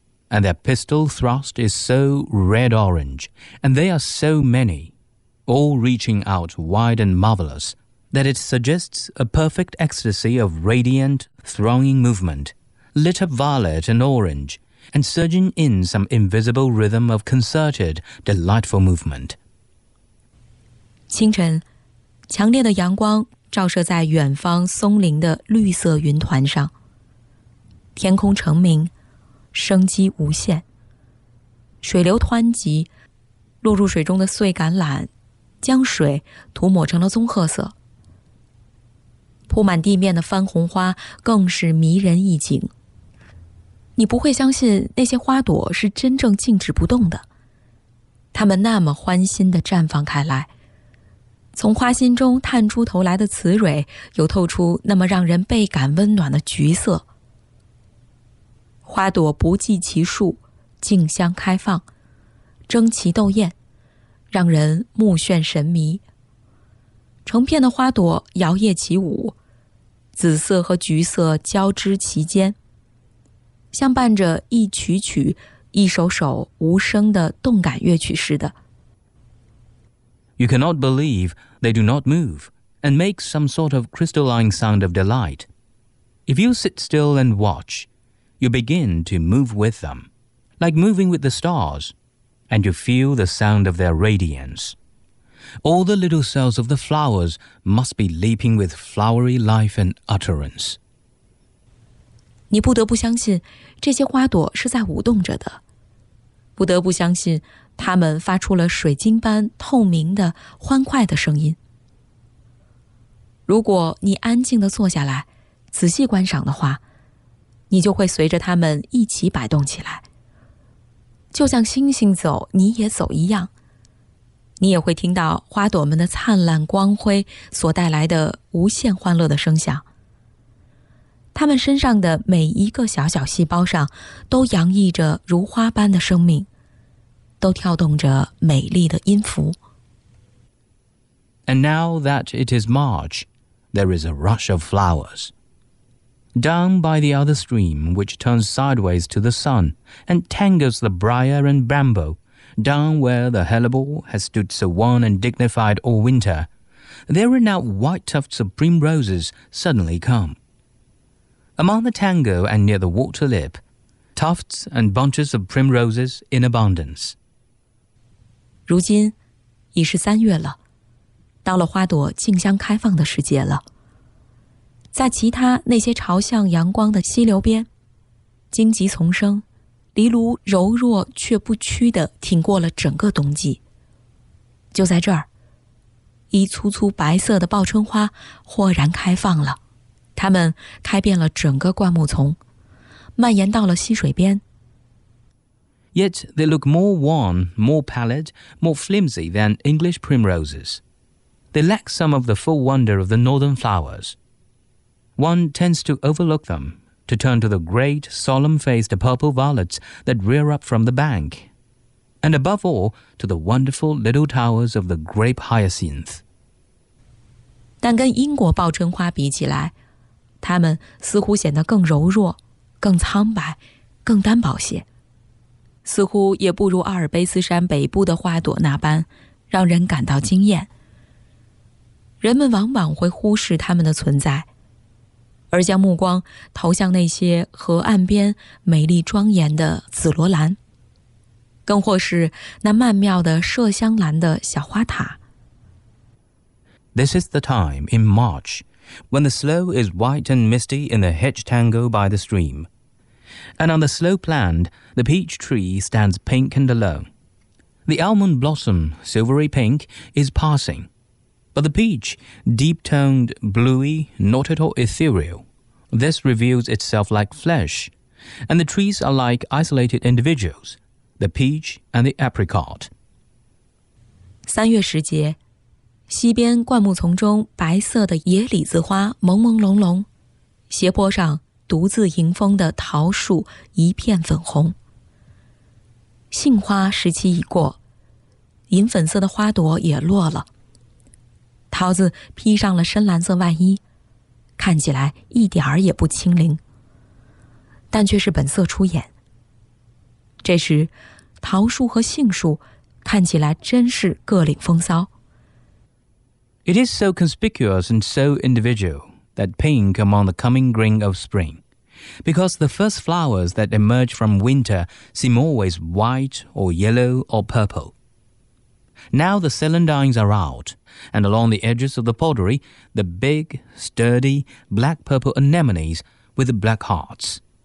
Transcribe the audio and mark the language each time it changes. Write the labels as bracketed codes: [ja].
[en] And their pistil thrust is so red-orange, and they are so many, all reaching out wide and marvelous, that it suggests a perfect ecstasy of radiant, thronging movement, lit up violet and orange, and surging in some invisible rhythm of concerted, delightful movement. [zh] 清晨，强烈的阳光照射在远方松林的绿色云团上，天空澄明，生机无限，水流湍急，落入水中的碎橄榄将水涂抹成了棕褐色，铺满地面的番红花更是迷人一景。你不会相信那些花朵是真正静止不动的，它们那么欢欣地绽放开来，从花心中探出头来的雌蕊又透出那么让人倍感温暖的橘色，花朵不计其数，竞相开放，争奇斗艳，让人目眩神迷。成片的花朵摇曳起舞，紫色和橘色交织其间，像伴着一曲曲、一首首无声的动感乐曲似的。 [en] You cannot believe they do not move and make some sort of crystalline sound of delight. If you sit still and watch,You begin to move with them, like moving with the stars, and you feel the sound of their radiance. All the little cells of the flowers must be leaping with flowery life and utterance. [zh] 你不得不相信这些花朵是在舞动着的，不得不相信它们发出了水晶般透明的欢快的声音。如果你安静地坐下来，仔细观赏的话，你就会随着它们一起摆动起来。就像星星走，你也走一样。你也会听到花朵们的灿烂光辉所带来的无限欢乐的声响。它们身上的每一个小小细胞上都洋溢着如花般的生命，都跳动着美丽的音符。 [en] And now that it is March, there is a rush of flowers. Down by the other stream, which turns sideways to the sun and tangles the briar and bramble, down where the hellebore has stood so wan and dignified all winter, there are now white tufts of primroses suddenly come. Among the tango and near the water lip, tufts and bunches of primroses in abundance. [zh] 如今已是三月了，到了花朵竞相开放的时节了。在其他那些朝向阳光的溪流边，荆棘丛生，藜芦柔弱却不屈地挺过了整个冬季。就在这儿，一簇簇白色的报春花豁然开放了。它们开遍了整个灌木丛，蔓延到了溪水边。 [en] Yet they look more wan, more pallid, more flimsy than English primroses. They lack some of the full wonder of the northern flowers. One tends to overlook them, to turn to the great, solemn-faced purple violets that rear up from the bank, and above all, to the wonderful little towers of the grape hyacinth. [zh] 但跟英国报春花比起来，它们似乎显得更柔弱，更苍白，更单薄些，似乎也不如阿尔卑斯山北部的花朵那般让人感到惊艳。人们往往会忽视它们的存在，而将目光投向那些河岸边美丽庄严的紫罗兰，更或是那曼妙的麝香兰的小花塔。 [en] This is the time in MarchWhen the sloe is white and misty in the hedge tango by the stream. And on the slope land, the peach tree stands pink and alone. The almond blossom, silvery pink, is passing. But the peach, deep-toned, bluey, not at all ethereal, this reveals itself like flesh. And the trees are like isolated individuals, the peach and the apricot. [zh] 三月时节溪边灌木丛中白色的野李子花朦朦胧胧，斜坡上独自迎风的桃树一片粉红。杏花时期已过，银粉色的花朵也落了。桃子披上了深蓝色外衣，看起来一点儿也不清灵，但却是本色出演。这时，桃树和杏树看起来真是各领风骚。 [en] It is so conspicuous and so individual, that pink among the coming green of spring, because the first flowers that emerge from winter seem always white or yellow or purple. Now the celandines are out, and along the edges of the pottery, the big, sturdy, black-purple anemones with the black hearts.